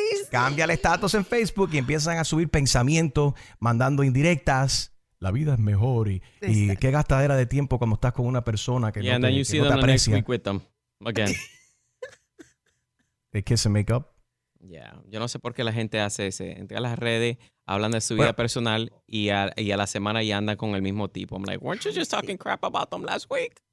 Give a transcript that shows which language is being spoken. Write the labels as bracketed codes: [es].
[es] Cambia el estatus en Facebook y empiezan a subir pensamientos, mandando indirectas. la vida es mejor y qué gastadera de tiempo cuando estás con una persona que no te aprecia. [en] Yeah, and then you see them next week with them again. They kiss and make up. [es] Yeah, yo no sé por qué la gente hace ese. Entre las redes, hablan de su vida personal y a la semana ya andan con el mismo tipo. [en] I'm like, weren't you just talking crap about them last week?